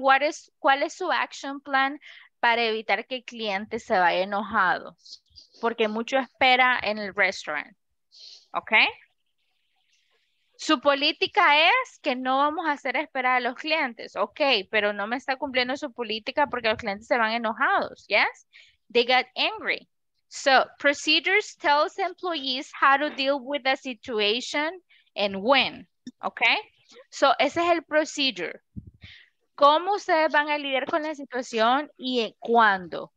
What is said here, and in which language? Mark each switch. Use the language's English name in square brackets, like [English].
[Spanish] ¿Cuál es su action plan para evitar que el cliente se vaya enojado? Porque mucho espera en el restaurant. ¿Ok? Su política es que no vamos a hacer esperar a los clientes. Ok, pero no me está cumpliendo su política porque los clientes se van enojados. [English] Yes? They got angry. So, procedures tells employees how to deal with the situation and when. [Spanish] Ok? So, ese es el procedure. ¿Cómo ustedes van a lidiar con la situación y cuándo?